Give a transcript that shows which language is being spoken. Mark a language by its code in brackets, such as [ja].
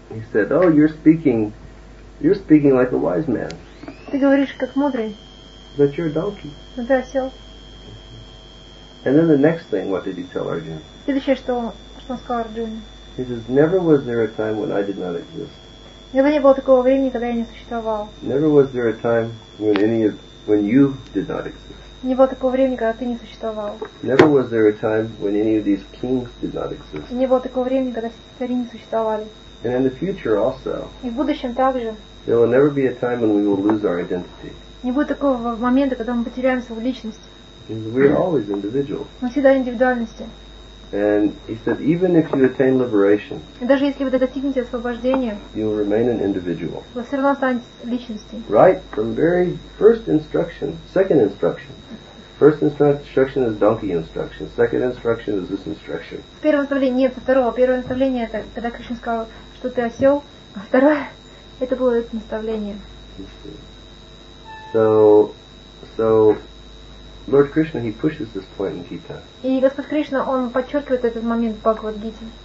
[en] He said, oh, you're speaking like a wise man. [ru] Ты говоришь как мудрый. [en] But you're a donkey. [ru] Но ты осел. [en] And then the next thing, what did he tell Arjuna? [ru] Следующее, что он сказал Арджуне. [en] He says, never was there a time when I did not exist. [ru] Никогда не было такого времени, когда я не существовал. [en] Never was there a time when you did not exist. [ru] Не было такого времени, когда ты не существовал. [en] Never was there a time when any of these kings did not exist. [ru] Не было такого времени, когда цари не существовали. [en] And in the future also. [ru] И в будущем также. [en] There will never be a time when we will lose our identity. [ru] Не будет такого момента, когда мы потеряем свою личность. [en] Because we are always individual. [ru] Мы всегда индивидуальности. [en] And he said, even if you attain liberation. [ru] И даже если вы достигнете освобождения. [en] You will remain an individual. [ru] Вы все равно останетесь личностью. [en] Right, from very first instruction, second instruction. First instruction is donkey instruction. Second instruction is this instruction. [ru] Первое наставление нет, второе. Первое наставление это когда Кришна сказал, что ты осел, а второе это было это наставление. [en] So Lord Krishna he pushes this point in Gita. [ru] И Господь Кришна он подчеркивает этот момент в Бхагавад Гите.